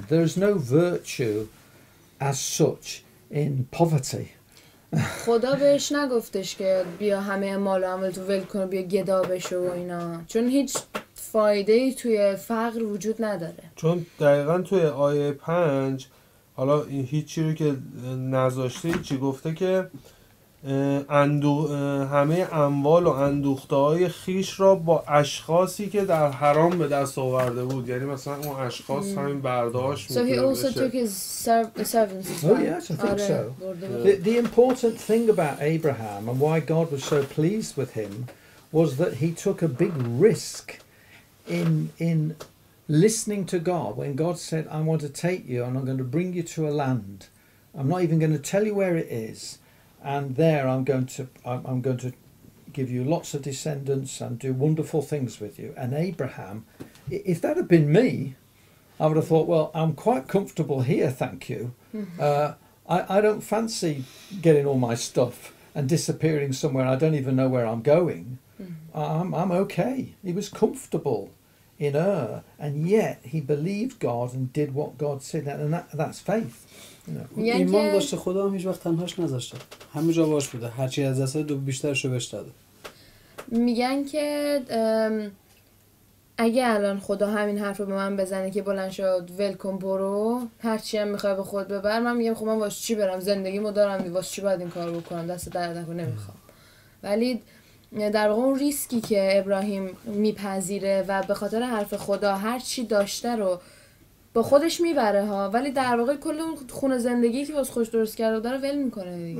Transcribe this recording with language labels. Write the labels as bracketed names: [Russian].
[English] There is no virtue as such in poverty. [Persian] خدا بهش نگفتش که بیا همه مال عمل تو ول کن بیا گدا بشو و اینا چون هیچ فایده ای توی فقر وجود نداره چون دقیقاً توی آیه 5 حالا این هیچی رو که نذاشته چی گفته که همه اموال و اندوخته های خیش را با اشخاصی که در حرام به دست آورده بود یعنی مثلا اون اشخاص همین برداشت میکنه بشه. [English] So he also took his servants. Oh yes, I think so. The important thing about Abraham and why God was so pleased with him was that he took a big risk in listening to God when God said I want to take you and I'm going to bring you to a land. I'm not even going to tell you where it is. And there I'm going to give you lots of descendants and do wonderful things with you. And Abraham, if that had been me, I would have thought, well, I'm quite comfortable here, thank you. I don't fancy getting all my stuff and disappearing somewhere. I don't even know where I'm going. I'm okay. He was comfortable in Ur, and yet he believed God and did what God said. And that's faith. [Persian] یعنی ایمان داشته خدا هم هیچ وقت تنهاش نذاشته همه جا باش بوده هرچی از دسته دو بیشترشو بهش داده میگن که اگه الان خدا همین حرف رو به من بزنه که بلند شد ولکم برو هرچی هم میخوای به خود ببر من میگم خب من واسه چی برم زندگیمو دارم واسه چی باید این کار بکنم دست درد نکنه نمیخوام ولی در واقع اون ریسکی که ابراهیم میپذیره و به خاطر حرف خدا هرچی داشته رو با خودش میبره ها ولی در واقع کل اون خونه زندگی که واسه خودش درست کرده داره ول میکنه دیگه